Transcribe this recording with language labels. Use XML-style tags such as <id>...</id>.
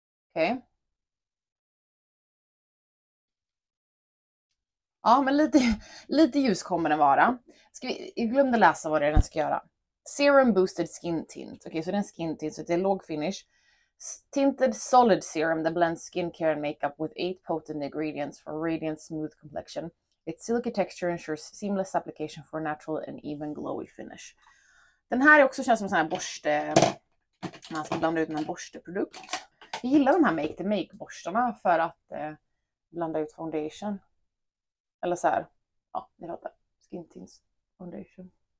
<sv>Okej. Ja, men lite ljus kommer den vara. Jag glömde läsa vad det är den ska göra. Serum Boosted Skin Tint. Okej, så det är en skin tint, så det är låg finish.</sv> <en>Tinted Solid Serum that blends skincare and makeup with 8 potent ingredients for radiant smooth complexion. Its silky texture ensures seamless application for natural and even glowy finish.</en> <sv>Den här är också känns som en sån här borste... Man ska blanda ut med en borsteprodukt. Jag gillar de här make-to-make-borstarna för att blanda ut foundation. Eller så här. Ja, ni fattar. Skin Tint Foundation.</sv>